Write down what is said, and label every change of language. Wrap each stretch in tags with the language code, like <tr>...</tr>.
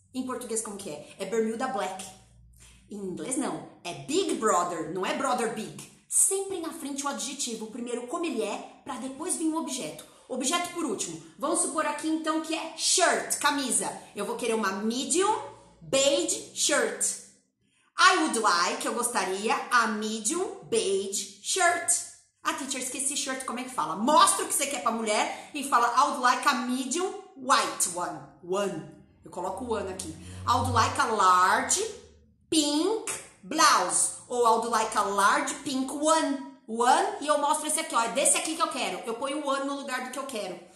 <pt>Em português, como que é? É bermuda black. Em inglês, não. É big brother, não é brother big. Sempre na frente o adjetivo, primeiro como ele é, para depois vir o objeto. Objeto por último. Vamos supor aqui então que é shirt, camisa. Eu vou querer uma</pt> <en>medium beige shirt. I would like,</en> <pt>eu gostaria,</pt> <en>a medium beige shirt.</en> <pt>Ah, teacher, esqueci shirt, como é que fala? Mostra o que você quer para a mulher e fala,</pt> <en>I would like a medium white one. One.</en> <pt>Eu coloco one aqui.</pt> <en>I would like a large pink blouse. Ou I'd like a large pink one.</en> <pt>One, e eu mostro esse aqui, ó. É desse aqui que eu quero. Eu ponho one no lugar do que eu quero.</pt>